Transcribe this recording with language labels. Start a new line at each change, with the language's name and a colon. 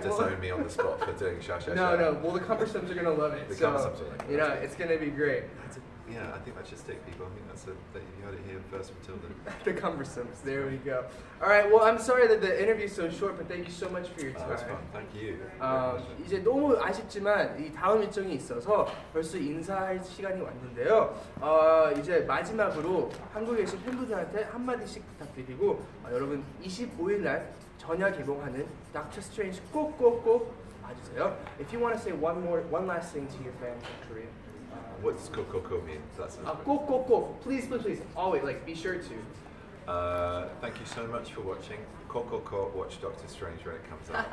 English: You'll disown me on the spot for doing sha, sha, no, sha. No. Well, the cumbersomes are going to love it. The cumbersomes are like it. You know, it's going to be great. Yeah, I think that should stick, people. I think you heard it here first from Tilden. The cumbersomes. There we go. All right. Well, I'm sorry that the interview is so short, but thank you so much for your time. That's fun. Thank you.
Korean: 이제 너무 아쉽지만 이 다음 일정이 있어서 벌써 인사할 시간이 왔는데요. 이제 마지막으로 한국에 계신 팬분들한테 한마디씩 부탁드리고 여러분 25일 날 전야 개봉하는 닥터 스트레인지 꼭꼭꼭 봐주세요.
English: If you want to say one last thing to your fans in Korea. What does koko mean? That's koko. Please. Always, like, be sure to. Thank you so much for watching. Koko, watch Doctor Strange when it comes out.